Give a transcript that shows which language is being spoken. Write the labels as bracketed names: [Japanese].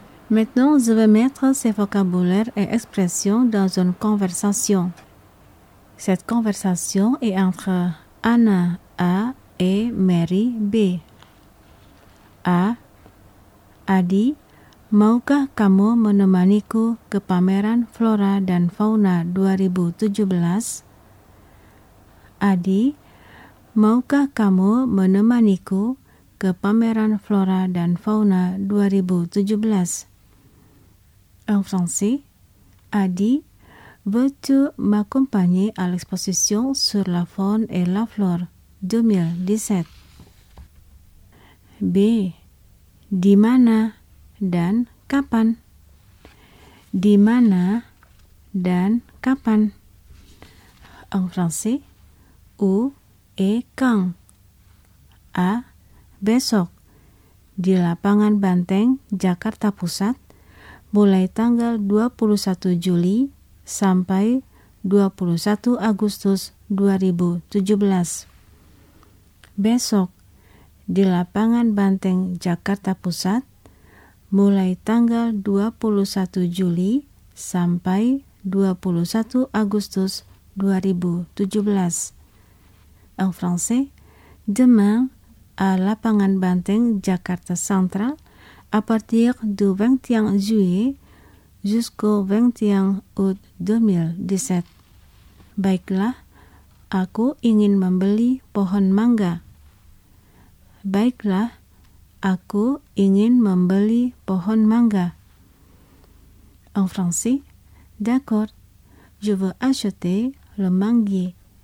[French] Maintenant, je vais mettre ces vocabulaires et expressions dans une conversation. Cette conversation est entre Anna A. et Mary B. A. [Indonesian] Adi, maukah kamu menemaniku ke pameran flora dan fauna 2017? Adi, maukah kamu menemaniku ke pameran flora dan fauna 2017? [French] En français, Adi, veux-tu m'accompagner à l'exposition sur la faune et la flore 2017. B. [Indonesian] Di mana dan kapan? Di mana dan kapan? [French] En français, où et quand? A. [Indonesian] Besok di lapangan Banteng, Jakarta Pusat, mulai tanggal 21 Juli sampai 21 Agustus 2017. Besok di Lapangan Banteng, Jakarta Pusat, mulai tanggal 21 Juli sampai 21 Agustus 2017. [French] En français, demain à Lapangan Banteng, Jakarta Central, à partir du 21 juillet jusqu'au 21 août 2017. [Indonesian] Baiklah, aku ingin membeli pohon mangga. Baiklah, aku ingin membeli pohon mangga. [French] En français, d'accord, je veux acheter le manguier.